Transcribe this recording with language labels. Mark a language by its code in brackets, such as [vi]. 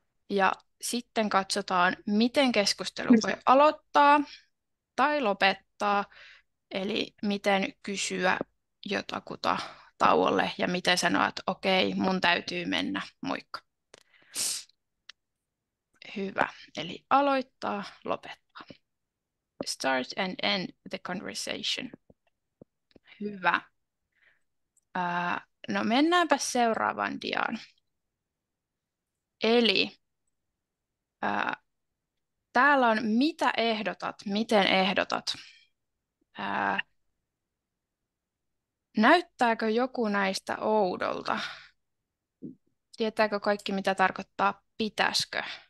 [fi] Ja sitten katsotaan, miten keskustelu voi aloittaa tai lopettaa, eli miten kysyä jotakuta tauolle ja miten sanoa, että okei, mun täytyy mennä, moikka. Hyvä, eli aloittaa, lopettaa. [en] Start and end the conversation. [fi] Hyvä. No mennäänpä seuraavaan diaan. Eli täällä on, mitä ehdotat, miten ehdotat. Näyttääkö joku näistä oudolta? Tietääkö kaikki, mitä tarkoittaa pitäskö?